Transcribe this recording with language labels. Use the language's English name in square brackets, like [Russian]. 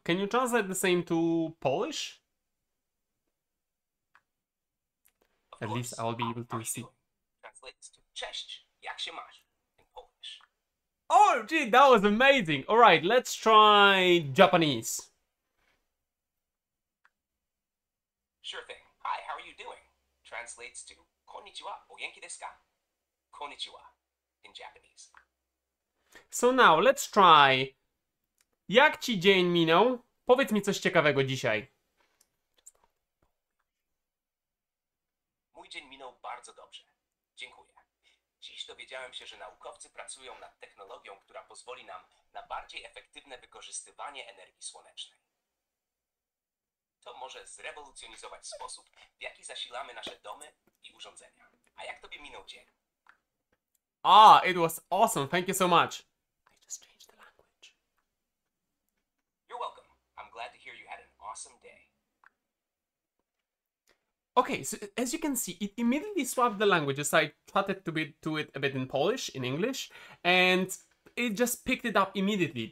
[English] Can you translate the same to Polish? At least I'll be able to see. Translates to [Polish] cześć, jak się masz? [English] In Polish. Oh, gee, that was amazing. All right, let's try Japanese. Sure thing. Hi, how are you doing? Translates to [Japanese] konnichiwa, oyenki desu ka? [English] Konnichiwa in Japanese. So now let's try. [Polish] Jak ci dzień minął? Powiedz mi coś ciekawego dzisiaj. Mój dzień minął bardzo dobrze. Dziękuję. Dziś dowiedziałem się, że naukowcy pracują nad technologią, która pozwoli nam na bardziej efektywne wykorzystywanie energii słonecznej. To może zrewolucjonizować sposób, w jaki zasilamy nasze domy i urządzenia. A jak tobie minął dzień? [English] Ah, it was awesome. Thank you so much. I just changed the language. You're welcome. I'm glad to hear you had an awesome day. Okay, so as you can see, it immediately swapped the languages. I chatted to it a bit in Polish, in English, and it just picked it up immediately.